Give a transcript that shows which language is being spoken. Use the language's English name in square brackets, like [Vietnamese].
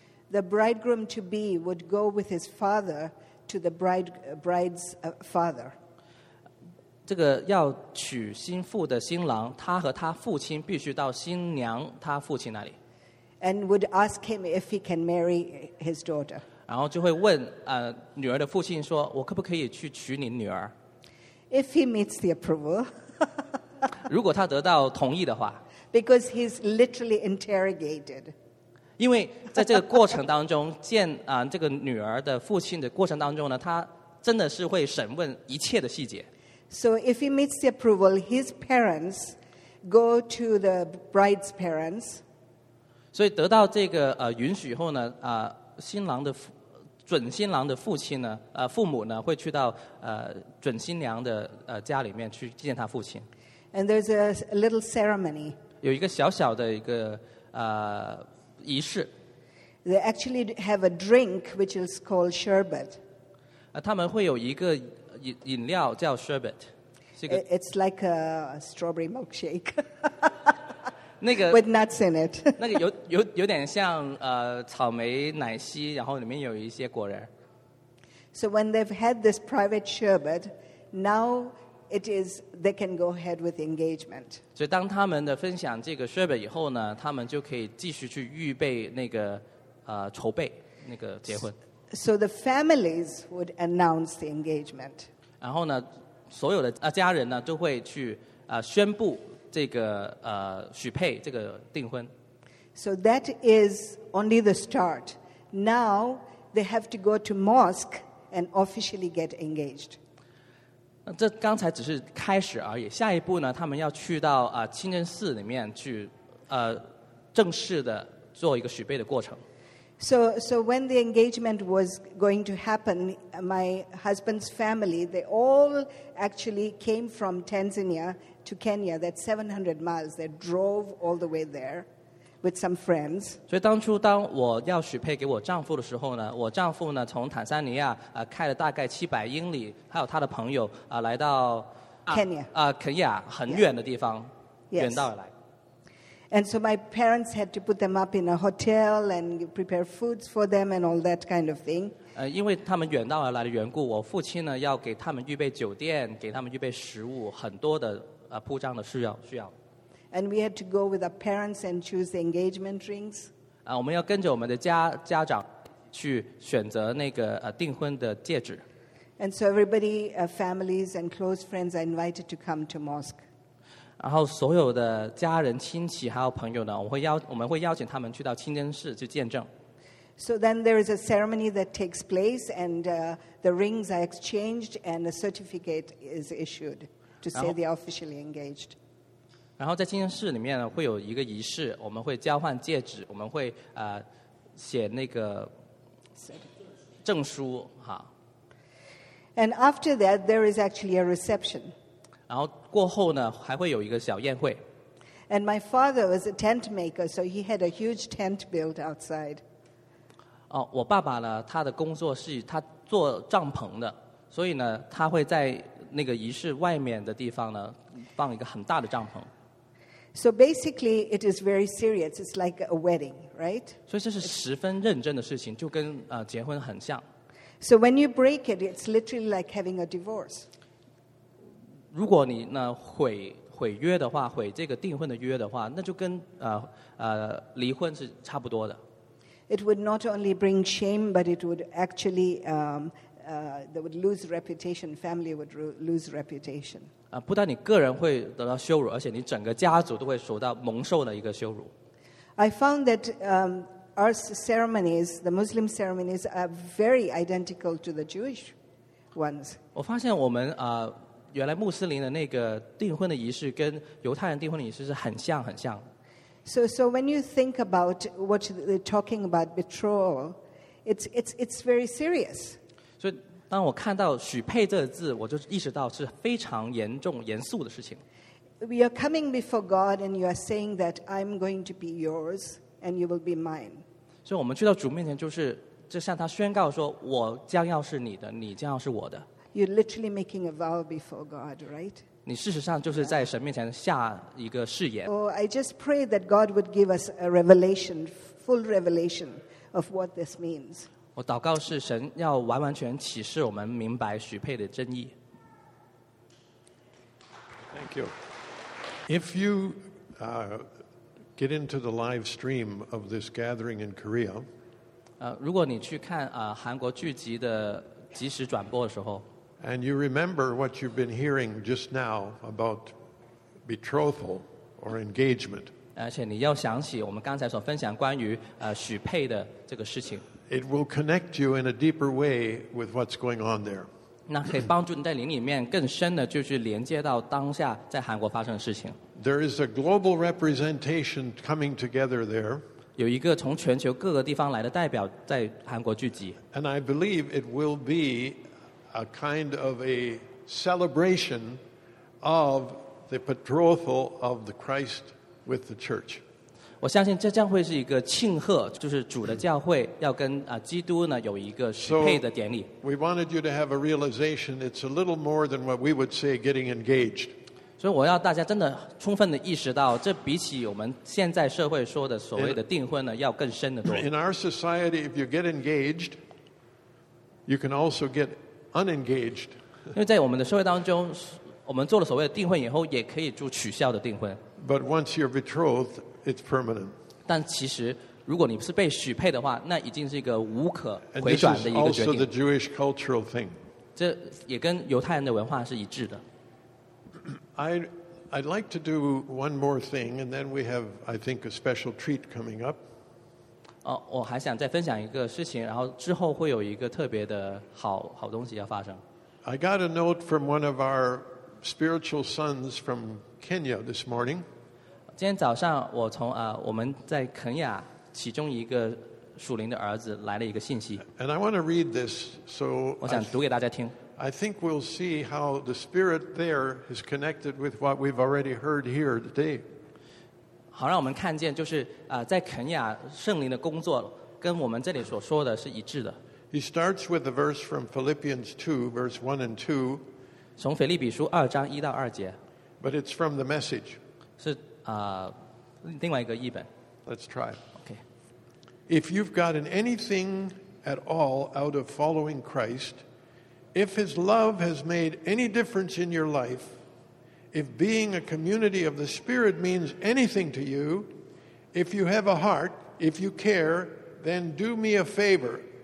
[English] The bridegroom to be would go with his father to the bride's father. [Chinese] 这个要娶新妇的新郎，他和他父亲必须到新娘他父亲那里。 [English] And would ask him if he can marry his daughter. [Chinese] 然后就会问女儿的父亲说，我可不可以去娶你女儿？ [English] If he meets the approval, [Chinese] 如果他得到同意的话 [English] ，because he's literally interrogated. [Chinese] 因为在这个过程当中，见这个女儿的父亲的过程当中呢，他真的是会审问一切的细节。 [English] So if he meets the approval, his parents go to the bride's parents. [Chinese] 所以得到这个允许后呢，新郎的父。准新郎的父亲呢，父母呢，会去到准新娘的家里面去见他父亲。 [English] And there's a little ceremony. [Chinese] 有一个小小的一个仪式。 [English] They actually have a drink which is called sherbet. [Chinese] 他们会有一个饮料叫 sherbet. [English] It's like a strawberry milkshake. [Chinese] 那个 [English] with nuts in it. [Chinese] 那个有点像草莓奶昔，然后里面有一些果仁。 [English] So when they've had this private sherbet, now it is they can go ahead with engagement. [Chinese] 所以当他们的分享这个 sherbet 以后呢，他们就可以继续去预备那个筹备那个结婚。 [English] So the families would announce the engagement. [Chinese] 然后呢，所有的家人呢都会去宣布这个许配这个订婚。 [English] So that is only the start. Now they have to go to mosque and officially get engaged. [Chinese] 这刚才只是开始而已，下一步呢，他们要去到清真寺里面去正式的做一个许配的过程。 [English] So when the engagement was going to happen, my husband's family, they all actually came from Tanzania to Kenya. That's 700 miles. They drove all the way there with some friends. [Chinese] 所以当初当我要许配给我丈夫的时候呢，我丈夫呢从坦桑尼亚开了大概700英里，还有他的朋友来到 [English] Kenya. [Chinese] 肯亚很远的地方， [English] yes. [Chinese] 远道而来。 [English] And so my parents had to put them up in a hotel and prepare foods for them and all that kind of thing. [Chinese] 因为他们远道而来的缘故，我父亲呢要给他们预备酒店，给他们预备食物，很多的铺张的需要。 [English] And we had to go with our parents and choose the engagement rings. [Chinese] 我们要跟着我们的家长去选择那个订婚的戒指。 [English] And so everybody, families and close friends are invited to come to mosque. [Chinese] 然后所有的家人亲戚还有朋友呢，我们会邀请他们去到清真寺去见证。 [English] So then there is a ceremony that takes place, and the rings are exchanged, and a certificate is issued to say they are officially engaged. [Chinese] 然后在清真寺里面呢，会有一个仪式，我们会交换戒指，我们会写那个证书哈。 [English] And after that, there is actually a reception. [Chinese] 然后过后呢，还会有一个小宴会。 [English] And my father was a tent maker, so he had a huge tent built outside. [Chinese] 哦，我爸爸呢，他的工作是他做帐篷的，所以呢，他会在那个仪式外面的地方呢，放一个很大的帐篷。 [English] So basically, it is very serious. It's like a wedding, right? [Chinese] 所以这是十分认真的事情，就跟结婚很像。 [English] So when you break it, it's literally like having a divorce. [Chinese] 如果你呢毁约的话，毁这个订婚的约的话，那就跟离婚是差不多的。 [English] It would not only bring shame, but it would actually they would lose reputation. Family would lose reputation. [Chinese] 不但你个人会得到羞辱，而且你整个家族都会蒙受的一个羞辱。 [English] I found that our ceremonies, the Muslim ceremonies, are very identical to the Jewish ones. [Chinese] 我发现我们原来穆斯林的那个订婚的仪式跟犹太人订婚的仪式是很像。 [English] So when you think about what they're talking about betrothal, it's very serious. [Chinese] 所以当我看到许配这个字，我就意识到是非常严重严肃的事情。 [English] We are coming before God and you are saying that I'm going to be yours and you will be mine. [Chinese] 所以我们去到主面前，就向他宣告说，我将要是你的，你将要是我的。 [English] You're literally making a vow before God, right? [Chinese] 你事实上就是在神面前下一个誓言。 [English] Oh, I just pray that God would give us a revelation, full revelation of what this means. [Chinese] 我祷告是神要完完全启示我们明白许配的真意。 [English] Thank you. If you get into the live stream of this gathering in Korea, [Chinese] 如果你去看韩国聚集的即时转播的时候。 [English] And you remember what you've been hearing just now about betrothal or engagement. [Chinese] 而且你要想起我们刚才所分享关于许配的这个事情。 [English] It will connect you in a deeper way with what's going on there. [Chinese] 那可以帮助你在灵里面更深的就去连接到当下在韩国发生的事情。 [English] There is a global representation coming together there. [Chinese] 有一个从全球各个地方来的代表在韩国聚集。 [English] And I believe it will be. A kind of a celebration of the betrothal of the Christ with the church. [Chinese] 我相信这将会是一个庆贺，就是主的教会要跟基督呢有一个许配的典礼。 [English] So we wanted you to have a realization. It's a little more than what we would say getting engaged. [Chinese] 所以我要大家真的充分的意识到，这比起我们现在社会说的所谓的订婚呢，要更深的多。 [English] In our society, if you get engaged, you can also get unengaged. [Chinese] 因为在我们的社会当中，我们做了所谓的订婚以后，也可以做取消的订婚。 [English] But once you're betrothed, it's permanent. [Chinese] 但其实，如果你是被许配的话，那已经是一个无可回转的一个决定。 [English] And this is also the Jewish cultural thing. [Chinese] 这也跟犹太人的文化是一致的。 [English] I'd like to do one more thing, and then we have, I think, a special treat coming up. [Chinese] 我还想再分享一个事情，然后之后会有一个特别的好东西要发生。 [English] I got a note from one of our spiritual sons from Kenya this morning. [Chinese] 今天早上我从我们在肯亚其中一个属灵的儿子来了一个信息。 [English] And I want to read this, so [Chinese] 我想读给大家听。 [English] I think we'll see how the spirit there is connected with what we've already heard here today. [Chinese] 好，让我们看见就是在肯亚圣灵的工作跟我们这里所说的是一致的。 [English] He starts with a verse from Philippians 2, verse 1 and 2. [Chinese] 从腓立比书二章一到二节。 [English] But it's from the message. [Chinese] 是另外一个译本。 [English] Let's try. Okay. If you've gotten anything at all out of following Christ, if his love has made any difference in your life, if being a community of the Spirit means anything to you, if you have a heart, if you care, then do me a favor.